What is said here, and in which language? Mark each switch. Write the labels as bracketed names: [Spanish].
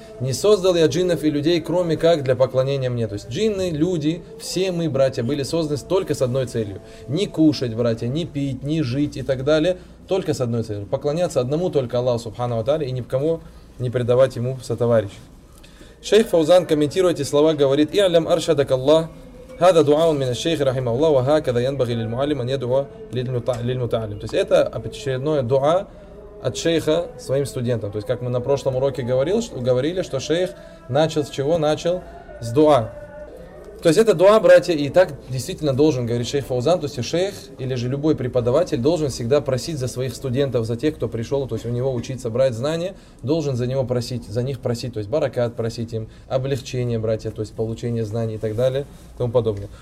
[Russian] Не создал я джиннов и людей, кроме как для поклонения мне. То есть джинны, люди, все мы, братья, были созданы только с одной целью. Не кушать, братья, не пить, не жить и так далее. Только с одной целью. Поклоняться одному только Аллаху Субхану ва Тааля и никому не предавать ему сотоварищ. Шейх Фаузан, комментируя эти слова, говорит: «Иалям аршадак Аллах». [Arabic] هذا دعاء من الشيخ رحمه الله وهكذا ينبغي للمعلم أن يدعو للمتعلم. [Russian] То есть это очередное дуа от шейха своим студентам. То есть, как мы на прошлом уроке говорили, что шейх начал с чего? Начал с дуа. То есть, это дуа, братья, и так действительно должен говорить шейх Фаузан. То есть, шейх или же любой преподаватель должен всегда просить за своих студентов, за тех, кто пришел, то есть, у него учиться, брать знания, должен за него просить, за них просить, то есть, баракат просить им, облегчение, братья, то есть, получение знаний и так далее, и тому подобное.